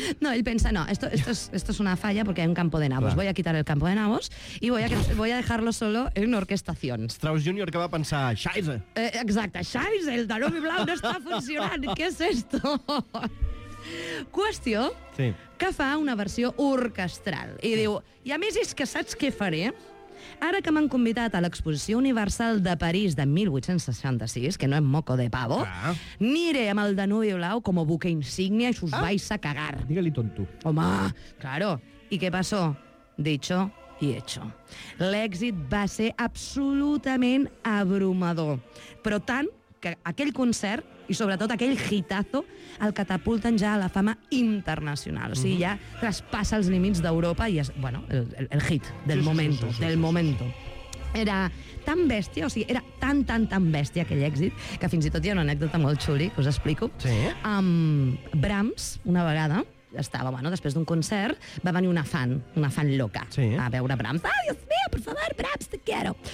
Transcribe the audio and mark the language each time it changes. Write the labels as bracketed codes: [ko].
[es] No, ell pensa, no, esto es una falla porque hay un campo de nabos. Voy a quitar el campo de nabos y voy a dejarlo solo en una orquestación. [ca] Strauss Jr. que va pensar, xaise. Exacte, xaise, el Danubi Blau no està funcionant. Què és esto? Qüestió que fa una versió orquestral i diu, i a més és que saps què faré? Ara que m'han convidat a l'Exposició Universal de París de 1866, que no és [es] moco de pavo, [ca] aniré amb el Danubi Blau com a buque insígnia i us [es] vais a cagar. [ca] Digue-li tonto. [es] Home, claro. I què passó? Dicho y hecho. [ca] L'èxit va ser absolutament abrumador, però tant que aquell concert i sobretot aquell hitazo el catapulten ja a la fama internacional. O sigui, ja traspassa els límits d'Europa i és, bueno, [es] el hit del momento. [ca] Era tan bèstia, o sigui, era tan bèstia aquell èxit, que fins i tot hi ha una anècdota molt xuli, que us explico. Sí? Brahms, una vegada, estava, bueno, després d'un concert, va venir una fan loca a veure Brahms. [es] Ah, Dios mío, por favor, Brahms, te quiero.